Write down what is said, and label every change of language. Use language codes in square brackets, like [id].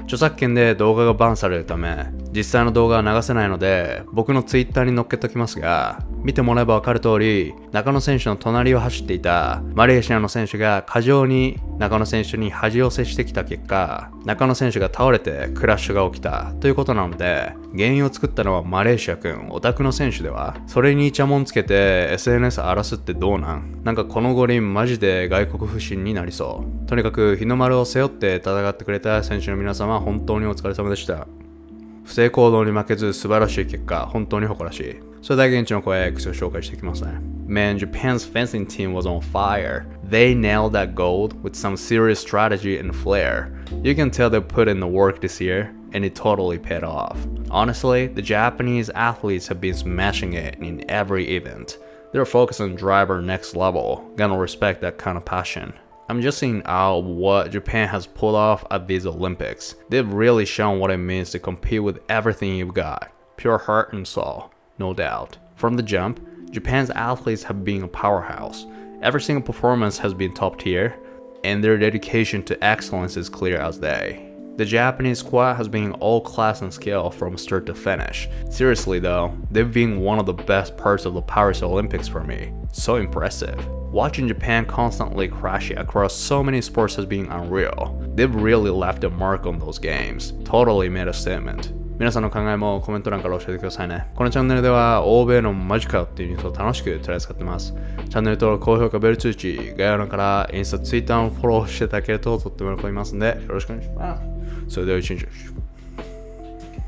[ja] 著作権で動画がバンされるため、実際の動画は流せないので、僕のツイッターに載っけときますが、見てもらえばわかる通り、中野選手の隣を走っていたマレーシアの選手が過剰に中野選手に恥を接してきた結果、中野選手が倒れてクラッシュが起きたということなので、原因を作ったのはマレーシア君、オタクの選手では、それにイチャモンつけて SNS 荒らすってどうなん？なんかこの五輪マジで外国不信になりそう。とにかく日の丸を背負って戦ってくれた選手の皆様、本当にお疲れ様でした。不正行動に負けず素晴らしい結果、本当に誇らしい。それでは現地の声、クセを紹介していきますね。 [en] Man, Japan's fencing team was on fire. They nailed that gold with some serious strategy and flair. You can tell they put in the work this year, and it totally paid off. Honestly, the Japanese athletes have been smashing it in every event. Their focus on driver next level, gonna respect that kind of passion. I'm just in awe of what Japan has pulled off at these Olympics. They've really shown what it means to compete with everything you've got. Pure heart and soul, no doubt. From the jump, Japan's athletes have been a powerhouse. Every single performance has been top tier, and their dedication to excellence is clear as day. The Japanese squad has been all class and skill from start to finish. Seriously though, they've been one of the best parts of the Paris Olympics for me. So impressive. Watching Japan constantly crash across so many sports has been unreal. They've really left a mark on those games. Totally made a statement. [ja] 皆さんの考えもコメント欄から教えてくださいね。このチャンネルでは欧米のマジかっていうニュースを楽しく取り扱ってます。チャンネル登録、高評価、ベル通知、概要欄からインスタ、ツイッターをフォローしていただけるととっても喜びますんで、よろしくお願いします。それでは一日よし。